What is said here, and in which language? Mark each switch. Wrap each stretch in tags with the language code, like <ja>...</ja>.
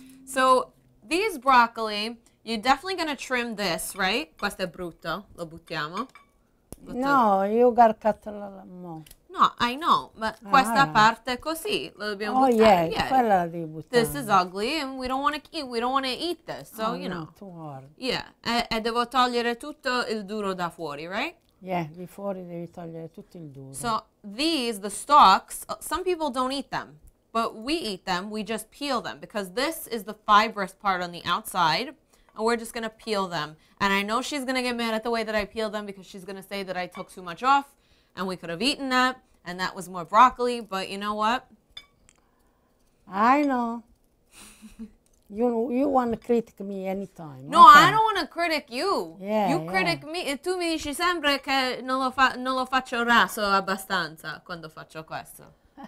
<en>So these broccoli, you're definitely going to trim this, right?</en> <it>Questo è brutto. Lo buttiamo.</it> <en>No, you got to cut it a little more. No, I know, but</en> <it>questa parte così lo dobbiamo buttare.</it> <en>Oh yeah,</en> <it>quella la devi buttare.</it> <en>This is ugly, and we don't want to eat. We don't want to eat this. So you know. Too hard.</en> <it>Yeah, e devo togliere tutto il duro da fuori, right? Yeah, di fuori devi togliere tutto il duro.</it> <en>So these, the stalks, some people don't eat them, but we eat them. We just peel them because this is the fibrous part on the outside, and we're just gonna peel them. And I know she's gonna get mad at the way that I peel them because she's gonna say that I took too much off. And we could have eaten that, and that was more broccoli, but you know what? I know. you want to critic me anytime. No, okay. I don't want to critic you. Critic me.</en> <it>Tu mi dici sempre che non lo faccio raso abbastanza quando faccio questo.</it>